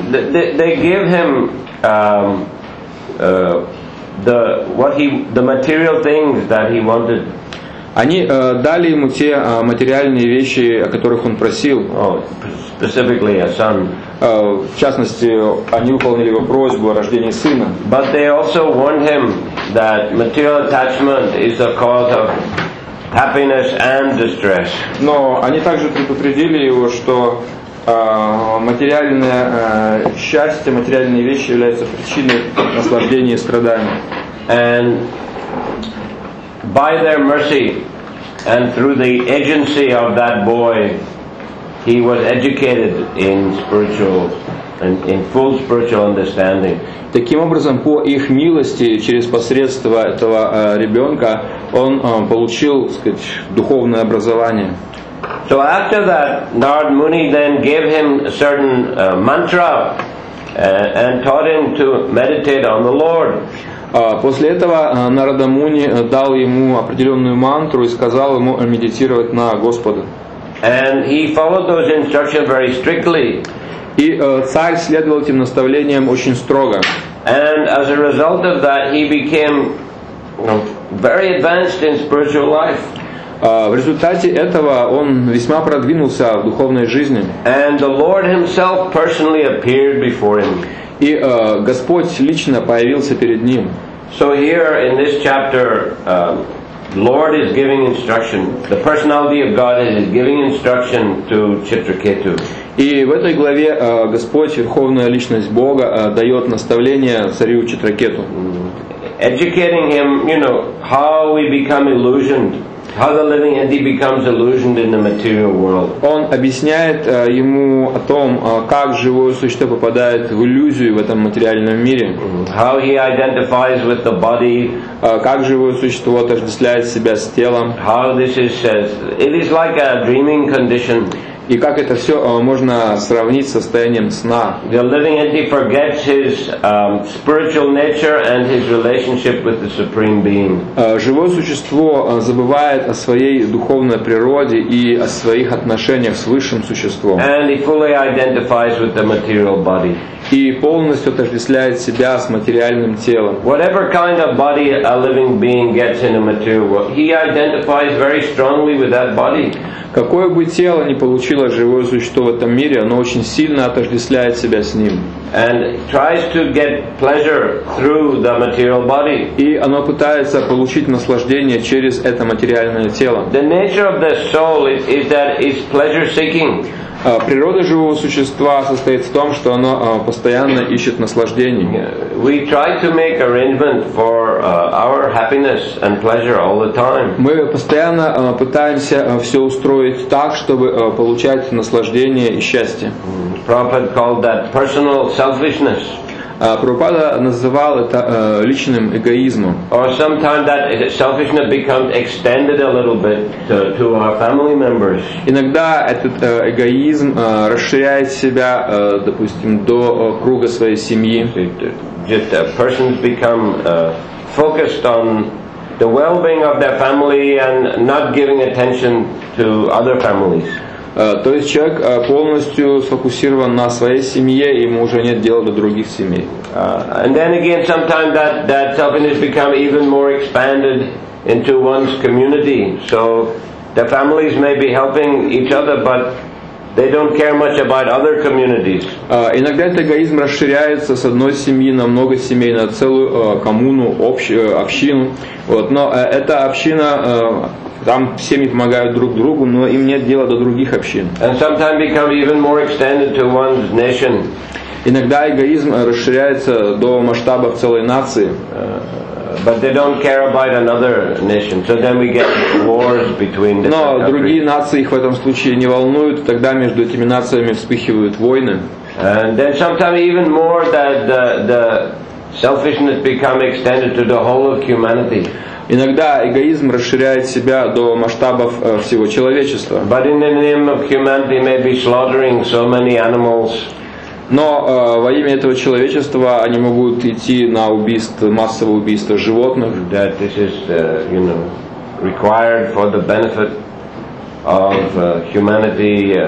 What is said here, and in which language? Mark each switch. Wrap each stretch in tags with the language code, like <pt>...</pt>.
<en>They gave him the material things that he wanted.</en> <ru>Они дали ему те материальные вещи, о которых он просил.</ru> <en>Specifically, a son.</en> <ru>В частности, они выполнили его просьбу о рождении сына.</ru> <en>But they also warned him that material attachment is the cause of happiness and distress.</en> <ru>Но они также предупредили его, что материальное счастье, материальные вещи являются причиной наслаждения и страдания.</ru> <en>And by their mercy and through the agency of that boy, he was educated in spiritual and in full spiritual understanding.</en> <ru>Таким образом, по их милости, через посредство этого ребенка, он получил, так сказать, духовное образование.</ru> <en>So after that, Narad Muni then gave him a certain mantra and taught him to meditate on the Lord.</en> <ru>После этого Нарада Муни дал ему определенную мантру и сказал ему медитировать на Господа.</ru> <en>And he followed those instructions very strictly.</en> <ru>И царь следовал этим наставлениям очень строго.</ru> <en>And as a result of that, he became very advanced in spiritual life.</en> <ru>В результате этого он весьма продвинулся в духовной жизни.</ru> <en>And the Lord himself personally appeared before him.</en> <ru>И Господь лично появился перед ним.</ru> <en>So here in this chapter, Lord is giving instruction. The personality of God is giving instruction to Chitraketu.</en> <ru>И в этой главе Господь, Верховная Личность Бога, дает наставление царю Читракету.</ru> <en>Educating him, you know, how we become illusioned, how the living entity becomes illusioned in the material world.</en> <ru>Он объясняет ему о том, как живое существо попадает в иллюзию в этом материальном мире.</ru> <en>How he identifies with the body.</en> <ru>Как живое существо отождествляет себя с телом.</ru> <en>How this is said. It is like a dreaming condition.</en> <ru>И как это все можно сравнить с состоянием сна?</ru> <en>The living entity forgets his spiritual nature and his relationship with the supreme being.</en> <ru>Живое существо забывает о своей духовной природе и о своих отношениях с высшим существом.</ru> <en>And he fully identifies with the material body.</en> <ru>И полностью отождествляет себя с материальным телом.</ru> <en>Whatever kind of body a living being gets in a material world, he identifies very strongly with that body.</en> <ru>Какое бы тело ни получило живое существо в этом мире, оно очень сильно отождествляет себя с ним.</ru> <en>And tries to get pleasure through the material body.</en> <ru>И оно пытается получить наслаждение через это материальное тело.</ru> <en>The nature of the soul is that it's pleasure-seeking.</en> <ru>Природа живого существа состоит в том, что оно постоянно ищет наслаждение.</ru> <en>We try to make arrangement for our happiness and pleasure all the time.</en> <ru>Мы постоянно пытаемся все устроить так, чтобы получать наслаждение и счастье.</ru> <en>Prabhupada called that personal selfishness.</en> <ru>Прабхупада называл это личным эгоизмом.</ru> <en>Or sometimes that selfishness becomes extended a little bit to our family members.</en> <ru>Иногда этот эгоизм расширяет себя, допустим, до круга своей семьи.</ru> <en>Just persons become focused on the well-being of their family and not giving attention to other families.</en> <ru>То есть человек полностью сфокусирован на своей семье, и ему уже нет дела до других семей.</ru> <en>And then again, sometimes that selfishness becomes even more expanded into one's community. So the families may be helping each other, but they don't care much about other communities.</en> <ru>Иногда этот эгоизм расширяется с одной семьи на много семей, на целую коммуну, общину. Вот, но эта община там семьи помогают друг другу, но им нет дела до других общин.</ru> <en>And sometimes become even more extended to one's nation.</en> <ru>Иногда эгоизм расширяется до масштабов целой нации.</ru> <en>But they don't care about another nation. So then we get wars between the countries.</en> <ru>Но другие нации их в этом случае не волнуют, тогда между этими нациями вспыхивают войны.</ru> <en>And then sometimes even more that the selfishness become extended to the whole of humanity.</en> <ru>Иногда эгоизм расширяет себя до масштабов всего человечества.</ru> <en>But in the name of humanity may be slaughtering so many animals.</en> <ru>Но во имя этого человечества они могут идти на убийство, массовое убийство животных.</ru> <en>That this is, you know, required for the benefit of humanity.</en>